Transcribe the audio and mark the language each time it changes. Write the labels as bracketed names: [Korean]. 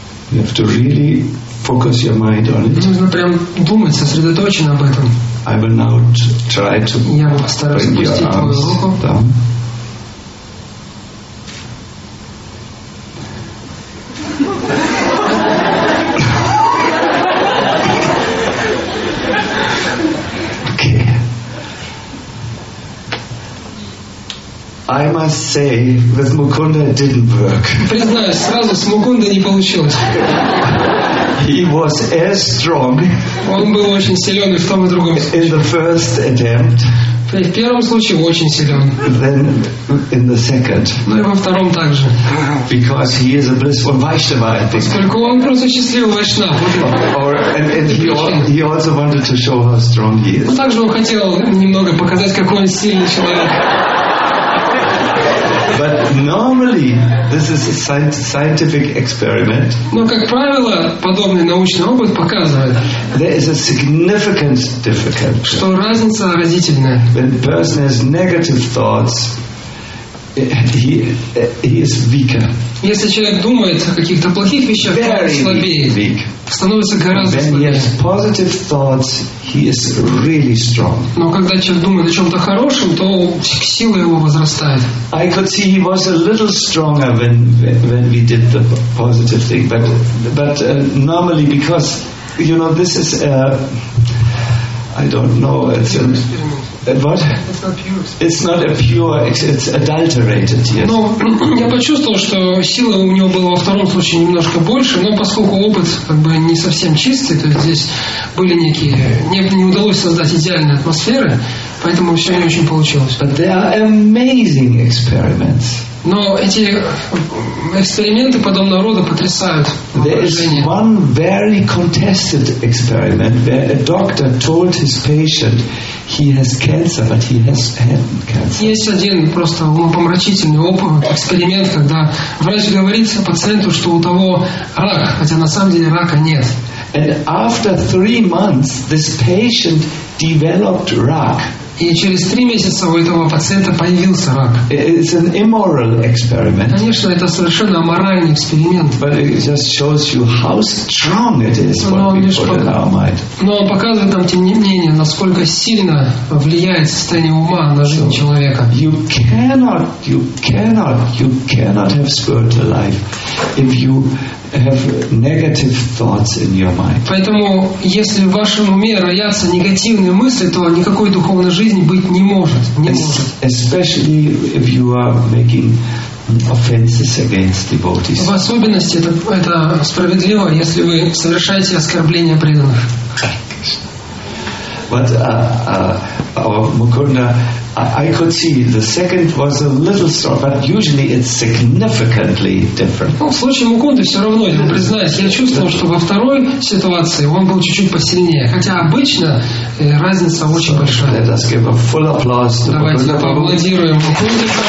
[English] You have to really focus your mind on it. [Russian] Нужно прям думать, сосредоточен об этом. [English] I will now try to bring your arms down. [Russian] Я постараюсь опустить твою руку. [English] Okay. I must say, with Mukunda it didn't work. [Russian] Признаюсь, сразу с Мукунда не получилось. [English] He was as strong. [Russian] Он был очень силен и в том и другом случае. [English] In the first attempt. [Russian] В первом случае очень силен. [English] Then in the second. [Russian] Ну и во втором также. [English] Because he is a blissful Vaishnava. [Russian] Поскольку он просто счастливый Вайшнав. [English] And he also wanted to show how strong he is. [Russian] Ну также он хотел немного показать, какой он сильный человек. [English] But normally this is a scientific experiment. [Russian] Но как правило, подобный научный опыт показывает. [English] There is a significant difference. [Russian] Что разница разительная. [English] When a person has negative thoughts, he is weaker. [Russian] Если человек думает о каких-то плохих вещах, то он слабее. [English] Weak. [Russian] Становится гораздо [English] when [Russian] слабее. [English] He has positive thoughts, he is really strong. [Russian] Но когда человек думает о чем-то хорошем, то сила его возрастает. [English] I could see he was a little stronger when we did the positive thing, but normally because you know this is I don't know it's an, what? It's not pure. It's not a pure. It's adulterated. Yes. [Russian] Но я почувствовал, что сила у него была во втором случае немножко больше, но поскольку опыт как бы не совсем чистый, то здесь были некие, не удалось создать идеальной атмосферы, поэтому все не очень получилось. [English] But they are amazing experiments. [Russian] Но эти эксперименты подобного рода потрясают. [English] There is one very contested experiment where a doctor told his patient he has cancer, but he has had cancer. [Russian] Есть один просто умопомрачительный опыт, эксперимент, когда врач говорит пациенту, что у того рак, хотя на самом деле рака нет. [English] And after 3 months, this patient developed rак. [Russian] И через 3 месяца у этого пациента появился рак. [English] It's an immoral experiment. [Russian] Конечно, это совершенно аморальный эксперимент. [English] But it just shows you how strong it is what we put in our mind. [Russian] Но он показывает нам, тем не менее, насколько сильно влияет состояние ума на жизнь человека. [English] You cannot have spiritual life if you have negative thoughts in your mind. [Russian] Поэтому, если в вашем уме роятся негативные мысли, то никакой духовной жизни быть не может. [English] Especially if you are making offenses against devotees. [Russian] В особенности это справедливо, если вы совершаете оскорбления преданных. [English] But our Mukunda I could see the second was a little strong, but usually it's significantly different. [Russian] Ну, в случае Муконды все равно, я признаюсь, я чувствовал, что во второй ситуации он был чуть-чуть посильнее. Хотя обычно разница очень большая. [English] Let us give a full applause to [Russian] Давайте Муконды. Давайте поаплодируем Муконды.